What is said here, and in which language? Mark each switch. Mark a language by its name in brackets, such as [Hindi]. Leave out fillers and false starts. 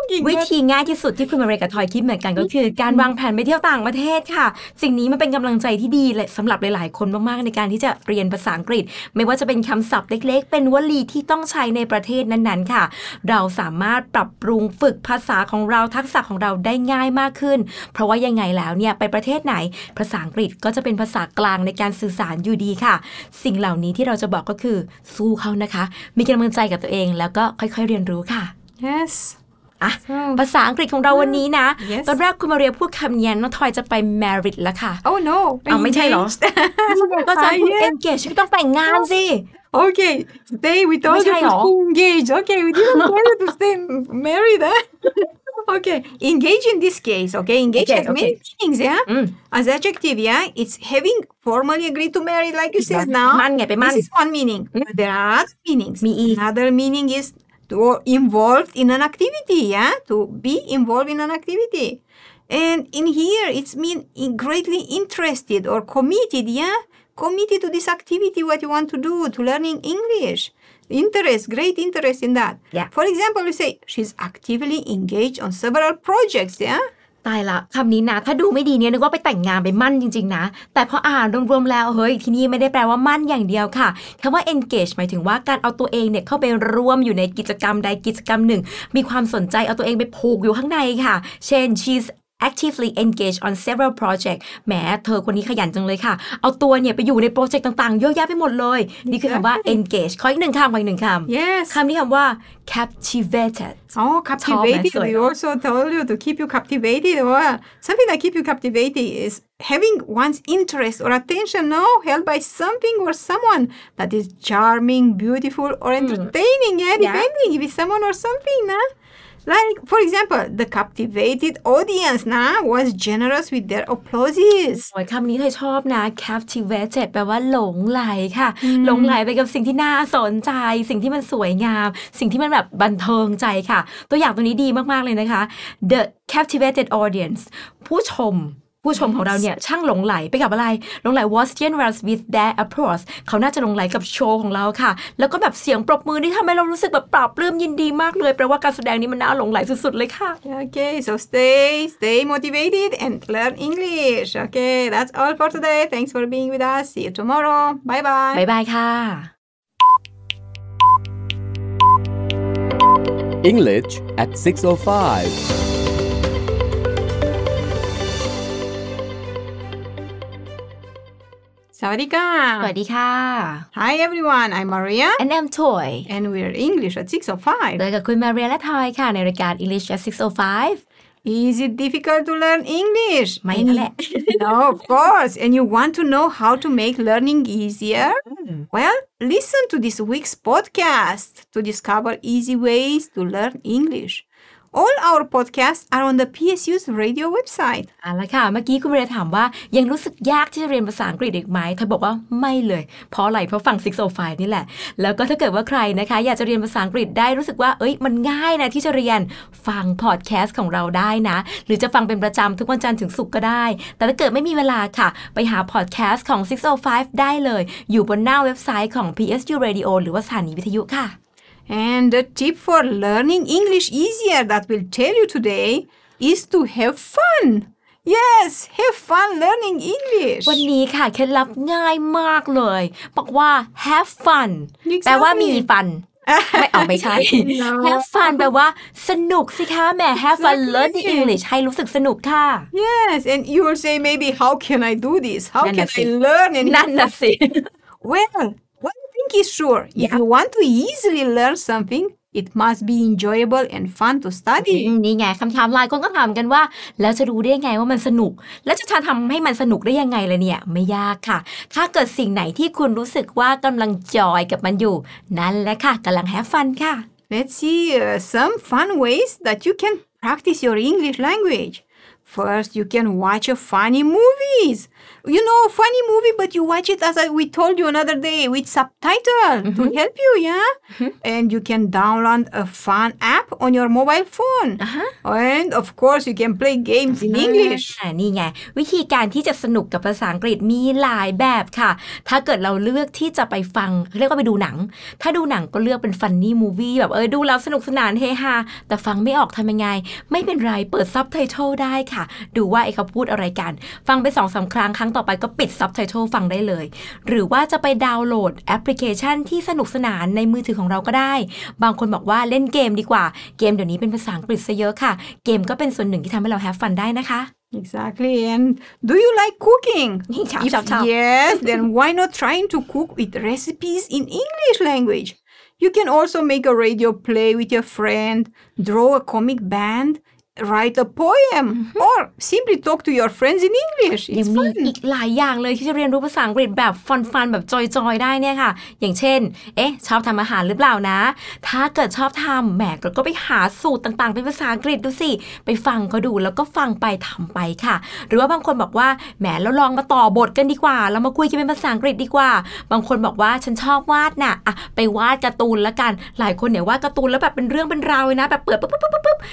[Thai] วิธีง่ายที่สุดที่คุณมาเรียกับทอยคิดเหมือนกันก็คือการวางแผนไปเที่ยวต่างประเทศค่ะสิ่งนี้มันเป็นกำลังใจที่ดีเลยสำหรับหลายๆคนมากๆในการที่จะเรียนภาษาอังกฤษไม่ว่าจะเป็นคำศัพท์เล็กๆเป็นวลีที่ต้องใช้ในประเทศนั้นๆค่ะเราสามารถปรับปรุงฝึกภาษาของเราทักษะของเราได้ง่ายมากขึ้นเพราะว่ายังไงแล้วเนี่ยไปประเทศไหนภาษาอังกฤษก็จะเป็นภาษากลางในการสื่อสารอยู่ดีค่ะสิ่งเหล่านี้ที่เราจะบอกก็คือสู้เขานะคะมีกำลังใจกับตัวเองแล้วก็ค่อยๆเรียนรู้ค่ะ [English] yes [Thai] ภาษาอังกฤษของเราวันนี้นะ [English] yes. [Thai] ตอนแรกคุณมาเรียพูดคำนี้น้องทอยจะไป married แล้วค่ะ [English] oh no [Thai] ไม่ใช่หรอก็จะพูด engaged ฉันต้องแต่งงานสิ [English] Okay, stay with us to engage. Okay, we didn't want to stay married, eh? Okay, engage in this case, okay? Engage has many things, yeah? As adjective, yeah? It's having formally agreed to marry, like you said now. This is one meaning. But there are other meanings. Another meaning is to be involved in an activity, yeah? To be involved in an activity. And in here, it's mean greatly interested or committed, yeah? Committed to this activity, what you want to do, to learning English. Interest, great interest in that. Yeah. For example, we say, she's actively engaged on several projects, yeah? [Thai] ตายละคำนี้นะถ้าดูไม่ดีเนี่ยนึกว่าไปแต่งงานไปมั่นจริงๆนะแต่พออ่านรวมๆแล้วเฮ้ยที่นี่ไม่ได้แปลว่ามั่นอย่างเดียวค่ะคำว่า engage หมายถึงว่าการเอาตัวเองเนี่ยเข้าไปร่วมอยู่ในกิจกรรมใดกิจกรรมหนึ่งมีความสนใจเอาตัวเองไปผูกอยู่ข้างในค่ะเช่น [English] she'sactively engaged on several projects [Thai] แม้เธอคนนี้ขยันจังเลยค่ะเอาตัวเนี่ยไปอยู่ในโปรเจกต์ต่างๆเยอะแยะไปหมดเลย นี่คือคำว่า engage ขออีกหนึ่งคำ [English] yes [Thai] คำนี้คำว่า captivated [English] captivated we also told you to keep you captivated or something that keep you captivated is having one's interest or attention held by something or someone that is charming beautiful or entertaining depending if it's someone or something Like, for example, the captivated audience was generous with their applauses. [Thai] โอ้ยคำนี้เธอชอบนะ captivated แปลว่าหลงไหลค่ะหลงไหลไปกับสิ่งที่น่าสนใจสิ่งที่มันสวยงามสิ่งที่มันแบบบันเทิงใจค่ะตัวอย่างตัวนี้ดีมากๆเลยนะคะ [English] The captivated audience [Thai] ผู้ชมของเราเนี่ยช่างหลงไหลไปกับอะไรหลงไหล [English] was generous with their applause [Thai] เขาน่าจะหลงไหลกับโชว์ของเราค่ะแล้วก็แบบเสียงปรบมือที่ทำให้เรารู้สึกแบบปลอบปลื้มยินดีมากเลยแปลว่าการแสดงนี้มันน่าหลงไหลสุดๆเลยค่ะ [English] Okay so stay motivated and learn English Okay that's all for today thanks for being with us see you tomorrow bye bye [Thai] ค่ะ [English] English at 6:05 [Thai] Sawadika. Sawadika. [English] Hi everyone, I'm Maria. And I'm Toy. And we're English at 6:05. [Thai] โดยกับคุณ Maria และ Toy ค่ะในรายการ English at 6:05. [English] Is it difficult to learn English? [Thai] ไม่นั่นแหละ [English] No, of course. And you want to know how to make learning easier? Well, listen to this week's podcast to discover easy ways to learn English. All our podcasts are on the PSU's radio website. [Thai] อะไรค่ะเมื่อกี้คุณเรียนถามว่ายังรู้สึกยากที่จะเรียนภาษาอังกฤษอีกไหมเธอบอกว่าไม่เลยเพราะอะไรเพราะฟัง605นี่แหละแล้วก็ถ้าเกิดว่าใครนะคะอยากจะเรียนภาษาอังกฤษได้รู้สึกว่าเอ้ยมันง่ายนะที่จะเรียนฟังพอดแคสต์ของเราได้นะหรือจะฟังเป็นประจำทุกวันจันทร์ถึงศุกร์ก็ได้แต่ถ้าเกิดไม่มีเวลาค่ะไปหาพอดแคสต์ของ605ได้เลยอยู่บนหน้าเว็บไซต์ของ PSU Radio หรือว่าสถานีวิทยุค่ะ [English] And the tip for learning English easier that we'll tell you today is to have fun. Yes, have fun learning English. [Thai] วันนี้ค่ะเคล็ดลับง่ายมากเลยบอกว่า [English] have fun exactly. [Thai] แปลว่ามีฟัน ไม่เอาไม่ใช่ [English] no. Have fun [Thai] แปลว่าสนุกสิคะแม่ [English] have fun learning English [Thai] ให้รู้สึกสนุกค่ะ [English] Yes, and you will say maybe how can I do this? How can I learn [Thai] English? นั่นสิ [English] Well. I think it's sure. If you want to easily learn something, it must be enjoyable and fun to study. [Thai] นี่ไงคำถามหลายคนก็ถามกันว่าแล้วจะรู้ได้ไงว่ามันสนุกแล้วจะทำให้มันสนุกได้ยังไงล่ะเนี่ยไม่ยากค่ะถ้าเกิดสิ่งไหนที่คุณรู้สึกว่ากำลังจอยกับมันอยู่นั่นแหละค่ะกำลังแฮฟฟันค่ะ [English] Let's see some fun ways that you can practice your English language. First, you can watch funny movies. You know, funny movie, but you watch it as we told you another day with subtitle mm-hmm. to help you, And you can download a fun app on your mobile phone. Uh-huh. And of course, you can play games in English. [Thai] นี่ไงวิธีการที่จะสนุกกับภาษาอังกฤษมีหลายแบบค่ะถ้าเกิดเราเลือกที่จะไปฟังเรียกว่าไปดูหนังถ้าดูหนังก็เลือกเป็น [English] funny movie [Thai] แบบดูแล้วสนุกสนานเฮฮาแต่ฟังไม่ออกทำยังไงไม่เป็นไรเปิด subtitle ได้ดูว่าไอ้เขาพูดอะไรกันฟังไป 2-3 ครั้งครั้งต่อไปก็ปิดซับไตเติลฟังได้เลยหรือว่าจะไปดาวน์โหลดแอปพลิเคชันที่สนุกสนานในมือถือของเราก็ได้บางคนบอกว่าเล่นเกมดีกว่าเกมเดี๋ยวนี้เป็นภาษาอังกฤษซะเยอะค่ะเกมก็เป็นส่วนหนึ่งที่ทำให้เราแฮปฟันได้นะคะ [English] Exactly and do you like cooking? If yes then why not trying to cook with recipes in English language? You can also make a radio play with your friend draw a comic bandwrite a poem mm-hmm. or simply talk to your friends in English it's [Thai] มีอีกหลายอย่างเลยที่จะเรียนรู้ภาษาอังกฤษแบบฟันฟันแบบจอยๆได้เนี่ยค่ะอย่างเช่นเอ๊ะชอบทำอาหารหรือเปล่านะถ้าเกิดชอบทำแหมก็ไปหาสูตรต่างๆเป็นภาษาอังกฤษดูสิไปฟังเขาดูแล้วก็ฟังไปทำไปค่ะหรือว่าบางคนบอกว่าแหมแล้วลองมาต่อบทกันดีกว่าแล้วมาคุยกันเป็นภาษาอังกฤษดีกว่าบางคนบอกว่าฉันชอบวาดน่ะอ่ะไปวาดการ์ตูนละกันหลายคนเนี่ยวาดการ์ตูนแล้วแบบเป็นเรื่องเป็นราวเลยนะแบบเปิดปุ๊บ